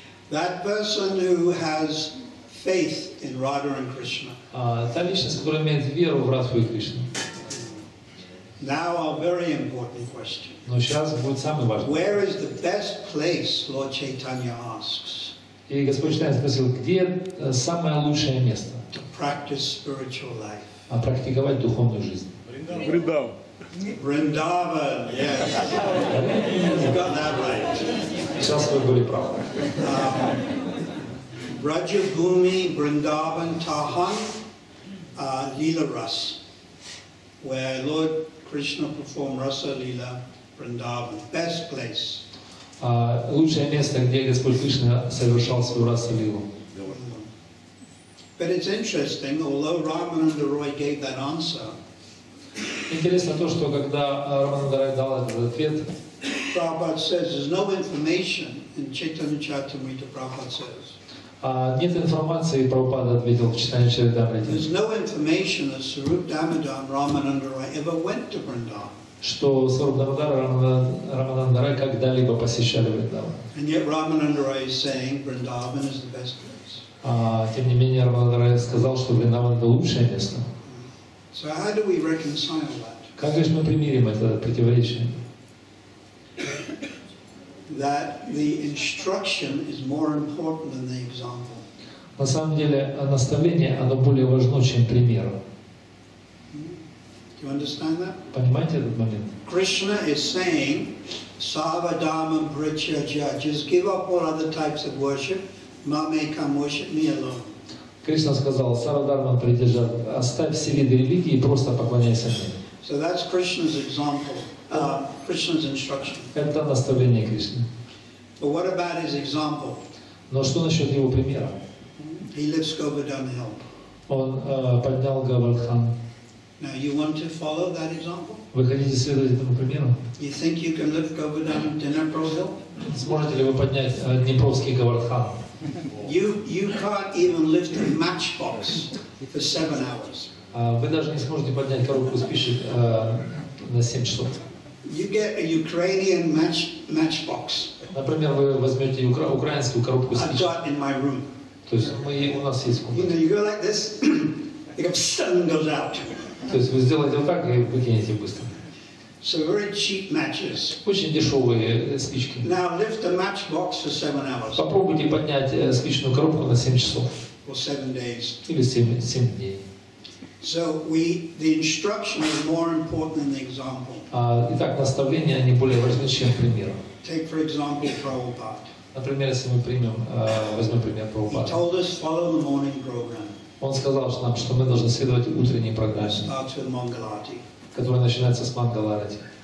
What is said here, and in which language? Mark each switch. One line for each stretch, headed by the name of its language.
English: That person who has faith in Radha and Krishna.
Russian: Та личность, которая имеет веру в Радху и Кришну.
English: Now a very important question.
Russian: Но сейчас будет самый важный.
English: Where is the best place, Lord Chaitanya asks.
Russian: И Господь Чайтанья спросил, где самое лучшее место?
English: To practice spiritual life.
Russian: А практиковать духовную жизнь. Вриндаван.
English: Вриндаван, yes. You got that right.
Russian: Сейчас вы были правы.
English: Раджабхуми, Вриндаван, Тахан, Лила Рас, where Lord Krishna performed Rasa Lila, Вриндаван, best place.
Russian: Лучшее место, где Господь Кришна совершал свою Раса Лилу.
English: But it's interesting, although Ramananda Roy gave that answer.
Russian: Интересно то, что когда Рамананда Рой дал этот ответ,
English: Prabhupada says there's no information in Chaitanya Charitamrita. Prabhupada says.
Russian: Нет информации, Прабхупада ответил в Читании Чаритамрите.
English: There's no information that Sarup Damodar Ramananda Roy ever went to Vrindavan.
Russian: Что Сваруп Дамодара и Рамананда Рой когда-либо посещали Вриндаван.
English: And yet Ramananda Roy is saying Vrindavan is the best place.
Russian: Тем не менее, Рамананда Рой сказал, что Вриндаван это лучшее место.
English: So how do we reconcile that?
Russian: Как же мы примирим это противоречие?
English: That the instruction is more important than the example.
Russian: На самом деле, наставление, оно более важно, чем пример.
English: You understand that?
Russian: Понимаете этот момент?
English: Krishna is saying, Sava Dharma Pricha Jaya, just give up all other types of worship, Mame come worship me alone.
Russian: Кришна сказал, Сарадарма Притяжа, оставь все виды религии и просто поклоняйся мне.
English: So that's Krishna's example, Krishna's instruction.
Russian: Это наставление Кришны.
English: But what about his example?
Russian: Но что насчет его примера?
English: He lifts Govardhan Hill.
Russian: Он поднял Говардхан.
English: Now you want to follow that example?
Russian: Вы хотите следовать этому примеру?
English: You think you can lift Govardhan Dnepro Hill?
Russian: Сможете ли вы поднять Днепровский Говардхан?
English: You can't even lift a matchbox for 7 hours.
Russian: Вы даже не сможете поднять коробку с пищей на 7 часов.
English: You get a Ukrainian matchbox.
Russian: Например, вы возьмете украинскую коробку с пищей.
English: I've got in my room.
Russian: То есть у нас есть комната.
English: You know, you go like this, it suddenly goes out.
Russian: То есть вы сделаете вот так и выкинете быстро.
English: So very cheap matches.
Russian: Очень дешевые спички.
English: Now lift a matchbox for 7 hours.
Russian: Попробуйте поднять спичную коробку на 7 часов.
English: For 7 days.
Russian: Или 7 дней.
English: So the instruction is more important than the example.
Russian: Итак, наставления они более важны, чем пример.
English: Take for example Prabhupada.
Russian: Например, если мы возьмем пример Прабхупады.
English: He told us follow the morning program.
Russian: Он сказал нам, что мы должны следовать утренней программе.
English: Starts with Mangal Arati.
Russian: Которая начинается с Мангал Арати.